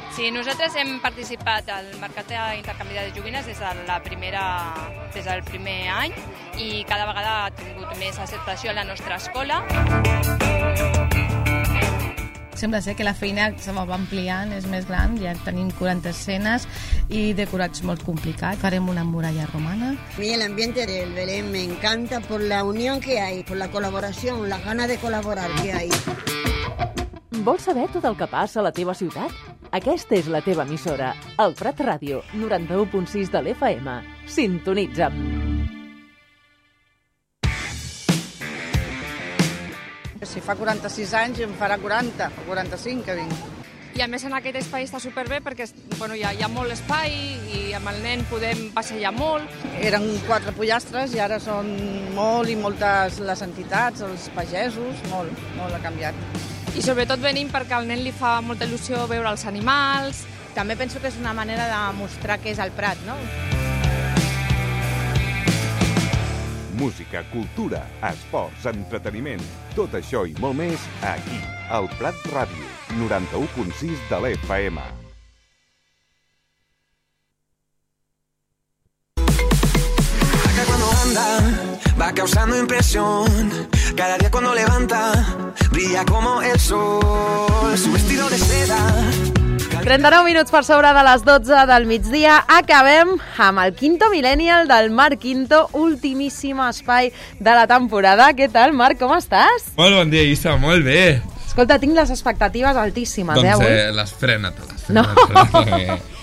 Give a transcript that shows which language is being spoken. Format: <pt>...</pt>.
<ca>Sí, nosaltres hem participat al mercat d'intercanvi de joguines des del primer any i cada vegada ha tingut més acceptació a la nostra escola. Sembla ser que la feina se va ampliant, és més gran, ja tenim 40 escenes i decorats molt complicats. Farem una muralla romana.</ca> <es>A mi l'ambiente del Belén me encanta por la unión que hay, por la colaboración, la gana de colaborar que hay.</es> <ca>Vols saber tot el que passa a la teva ciutat? Aquesta és la teva emissora, el Prat Ràdio, 91.6 de l'FM. Sintonitza'm. Si fa 46 anys em farà 40 o 45 que vinc. I a més en aquest espai està superbé perquè bueno, hi ha molt espai i amb el nen podem passejar molt. Eren quatre pollastres i ara són molt i moltes les entitats, els pagesos, molt, molt ha canviat. I sobretot venim perquè al nen li fa molta il·lusió veure els animals. També penso que és una manera de mostrar què és el Prat, no? Música, cultura, esports, entreteniment, tot això i molt més aquí, al Prat Ràdio, 91.6 de l'FM.</ca> <es>Acá cuando anda, va causando impresión, cada día cuando levanta, brilla como el sol, su vestido de seda.</es> <ca>39 minuts per sobre de les 12 del migdia. Acabem amb el Quinto Millennial del Marc Quinto, ultimíssim espai de la temporada. Què tal, Marc? Com estàs? Molt bon dia, Isa. Molt bé. Escolta, tinc les expectatives altíssimes, doncs, avui. Doncs frena-te-les. No. Frena-te-les.</ca>